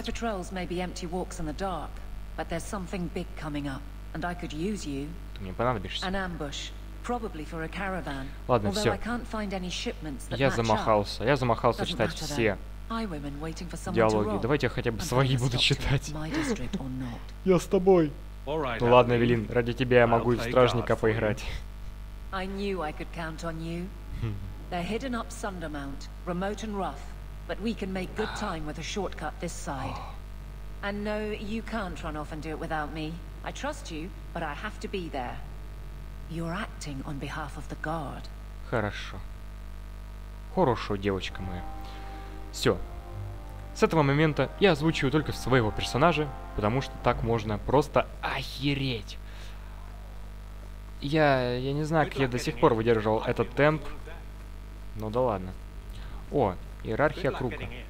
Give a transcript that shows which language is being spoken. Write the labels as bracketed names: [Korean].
[English] My patrols may be empty walks in the dark, but there's something big coming up, and I could use you. [Russian] Ты мне понадобишься. [English] An ambush, probably for a caravan. [Russian] Ладно, все. [English] Although I can't find any shipments that match up. [Russian] Я замахался читать все диалоги. Давайте я хотя бы свои буду читать. Я с тобой. [English] All right, [Russian] ну ладно, Эвелин, ради тебя я могу и в стражника поиграть. [English] I knew I could count on you. They're hidden up Sundermount, remote and rough, but we can make good time with a shortcut this side. And no, you can't run off and do it without me. I trust you, but I have to be there. You're acting on behalf of the guard. [Russian] Хорошо. Хорошо, девочка моя. Все. С этого момента я озвучиваю только своего персонажа, потому что так можно просто охереть. Я не знаю, как я до сих пор выдерживал этот темп. Ну да ладно. О, иерархия круга.